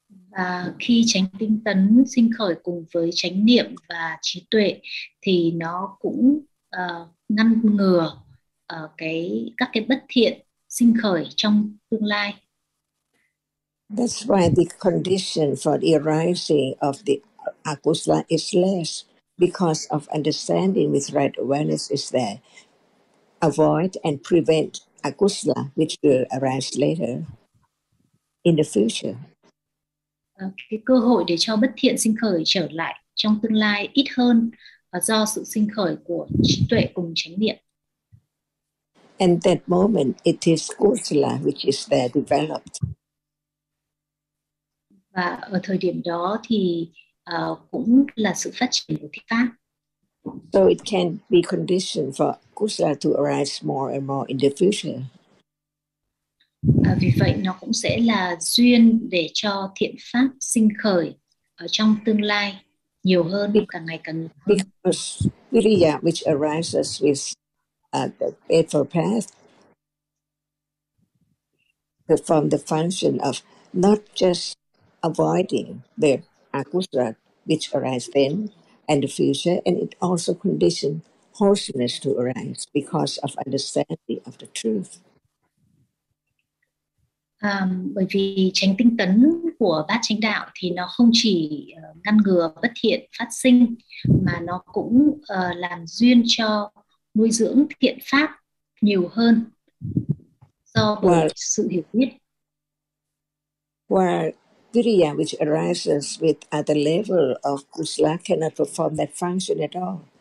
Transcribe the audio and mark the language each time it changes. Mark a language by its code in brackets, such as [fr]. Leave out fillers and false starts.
[vi] Và khi chánh tinh tấn sinh khởi cùng với chánh niệm và trí tuệ thì nó cũng ngăn ngừa các cái bất thiện sinh khởi trong tương lai. [en] That's why the condition for the arising of the akusala is less because of understanding with right awareness is there. Avoid and prevent akusala which will arise later in the future. [vi] Cái cơ hội để cho bất thiện sinh khởi trở lại trong tương lai ít hơn do sự sinh khởi của trí tuệ cùng chánh niệm. [en] And that moment it is akusala which is there developed. [vi] Và ở thời điểm đó thì cũng là sự phát triển của thiết pháp. [en] So it can be conditioned for akusala to arise more and more in the future. [vi] Vì vậy nó cũng sẽ là duyên để cho thiện pháp sinh khởi ở trong tương lai nhiều hơn, càng ngày càng nhiều hơn. [en] Because viriya which arises with the eightfold path perform the function of not just avoiding the akusala which arise then and the future, and it also condition wholesomeness to arise because of understanding of the truth. [vi] Bởi vì chánh tinh tấn của bát chánh đạo thì nó không chỉ ngăn ngừa bất thiện phát sinh mà nó cũng làm duyên cho nuôi dưỡng thiện pháp nhiều hơn do sự hiểu biết. [en] While viriya which arises with other level of kusala cannot perform that function at all.